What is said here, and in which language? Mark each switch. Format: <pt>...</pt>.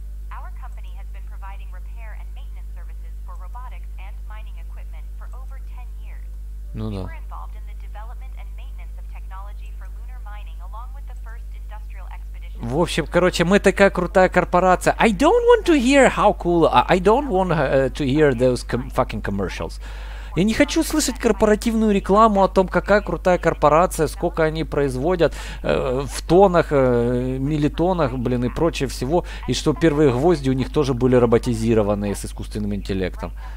<en>Our company has been providing repair and maintenance services for robotics and mining equipment for over 10 years.</en> <ru>Ну да.</ru> <en>We were involved in the development and maintenance of technology for lunar mining along with the first industrial expedition.</en> <ru>В общем, короче, мы такая крутая корпорация.</ru> <en>I don't want to hear how cool. I don't want to hear those fucking commercials.</en> <ru>Я не хочу слышать корпоративную рекламу о том, какая крутая корпорация, сколько они производят в тоннах, миллитонах, блин, и прочее всего. И что первые гвозди у них тоже были роботизированы с искусственным интеллектом.</ru>